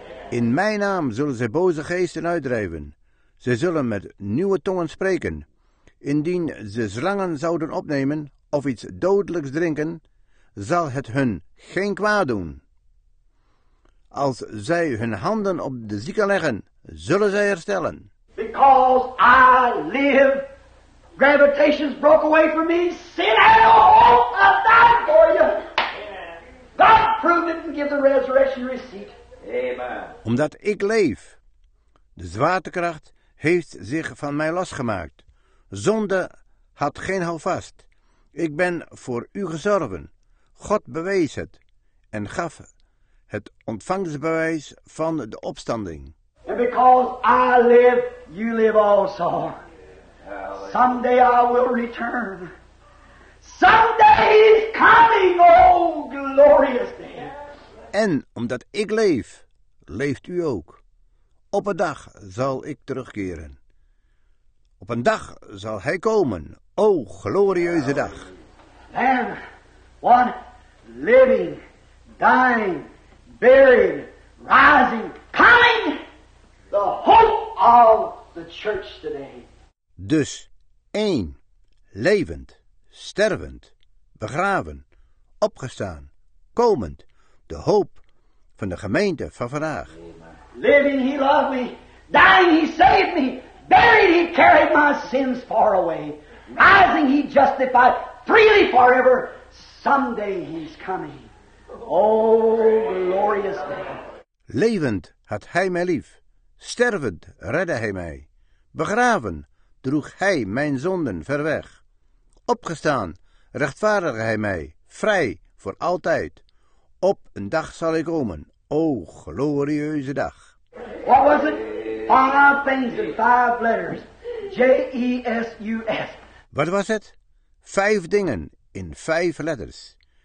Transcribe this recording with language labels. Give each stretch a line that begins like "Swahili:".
Dutch: In mijn naam zullen zij boze geesten uitdrijven. Ze zullen met nieuwe tongen spreken. Indien ze slangen zouden opnemen of iets dodelijks drinken, zal het hun geen kwaad doen. Als zij hun handen op de zieken leggen, zullen zij herstellen.
English: Because I live, gravitation's broke away from me. Sin had a hold of that for you. God proved it and give the resurrection receipt. Amen.
Dutch: Omdat ik leef, de zwaartekracht heeft zich van mij losgemaakt. Zonde had geen houvast. Ik ben voor u gezorven. God bewees het en gaf het ontvangstbewijs van de opstanding.
English: And because I live, you live also. Someday I will return. Someday is coming, oh glorious day.
Dutch: En omdat ik leef, leeft u ook. Op een dag zal ik terugkeren. Op een dag zal hij komen, o glorieuze dag.
English: Man, one living, dying, buried, rising, coming, the hope of the church today.
Dutch: Dus één, levend, stervend, begraven, opgestaan, komend, de hoop van de gemeente van vandaag.
English: Living, he loved me. Dying, he saved me. Buried, he carried my sins far away. Rising, he justified freely forever. Someday he's coming. Oh, glorious day.
Dutch: Levend had hij mij lief. Stervend redde hij mij. Begraven droeg hij mijn zonden ver weg. Opgestaan rechtvaardigde hij mij. Vrij voor altijd. Op een dag zal ik komen. O glorieuze dag.
English: What was it? Five things in five letters. J-E-S-U-S.
Dutch: Wat was het? Vijf dingen in vijf letters.